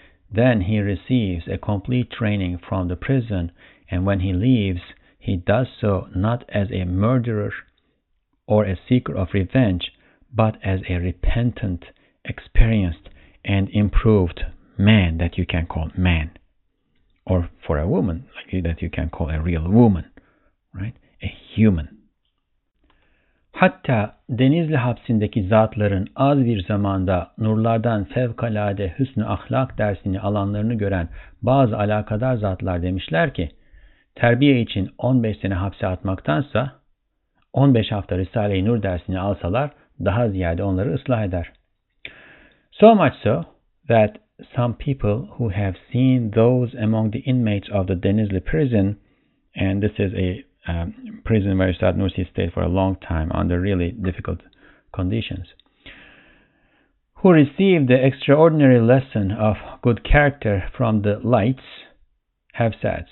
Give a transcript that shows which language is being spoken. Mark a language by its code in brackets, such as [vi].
[en] Then he receives a complete training from the prison, and when he leaves, he does so not as a murderer or a seeker of revenge, but as a repentant, experienced, and improved man that you can call man. Or for a woman, like that you can call a real woman, right? A human. [tr] Hatta Denizli hapsindeki zatların az bir zamanda nurlardan fevkalade hüsnü ahlak dersini alanlarını gören bazı alakadar zatlar demişler ki, terbiye için 15 sene hapse atmaktansa, 15 hafta Risale-i Nur dersini alsalar daha ziyade onları ıslah eder. [en] So much so that some people who have seen those among the inmates of the Denizli prison, and this is a prison where Üstad Nursi stayed for a long time under really difficult conditions, who received the extraordinary lesson of good character from the lights, have said.